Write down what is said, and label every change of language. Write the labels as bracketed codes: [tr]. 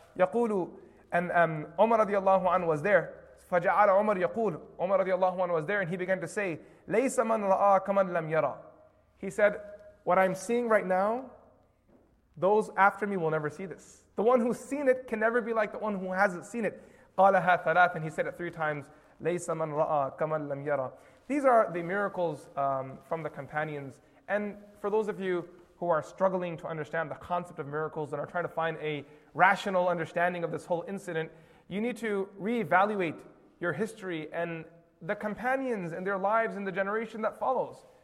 [ar] يَقُولُ, [en] and Umar radiallahu anh was there. [ar] فَجَعَلَ عُمَرْ يَقُولُ, [en] Umar radiallahu anh was there, and he began to say, [ar] لَيْسَ مَنْ رَآ كَمَنْ لَمْ يَرَى, [en] he said, what I'm seeing right now, those after me will never see this. The one who's seen it can never be like the one who hasn't seen it. [ar] قَالَهَا ثَلَاثٍ, [en] and he said it three times, [ar] لَيْسَ مَنْ رَآ كَمَنْ لَمْ يَرَى. [en] These are the miracles from the companions. And for those of you who are struggling to understand the concept of miracles and are trying to find a rational understanding of this whole incident, you need to reevaluate your history and the companions and their lives and the generation that follows.